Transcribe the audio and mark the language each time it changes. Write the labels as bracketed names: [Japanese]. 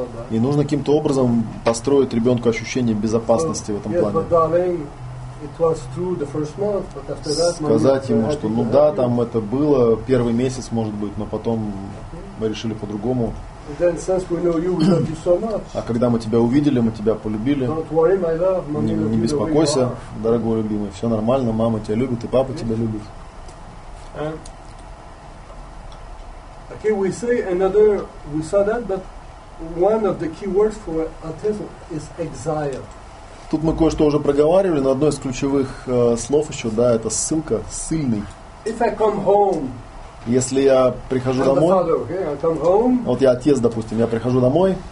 [Russian] И нужно каким-то образом построить ребенку ощущение безопасности в этом плане. [English] It was true the first month, but after that, [Russian] сказать ему, что ну да, там это было первый месяц, может быть, но потом мы решили по-другому. [English] Then, since we know you, we love you so much. [Russian] А когда мы тебя увидели, мы тебя полюбили. [English] Don't worry, my love. [Russian] Не, не беспокойся, дорогой любимый, все нормально, мама тебя любит и папа тебя любит. [English] Okay, we say another, we saw that, but one of the key words for autism is exile. [Russian] Тут мы кое-что уже проговаривали, но одно из ключевых слов еще, да, это ссылка, ссыльный. [English] If I come home, [Russian] если я прихожу домой, [English] father, okay? I come home, [Russian] вот я отец, допустим, я прихожу домой,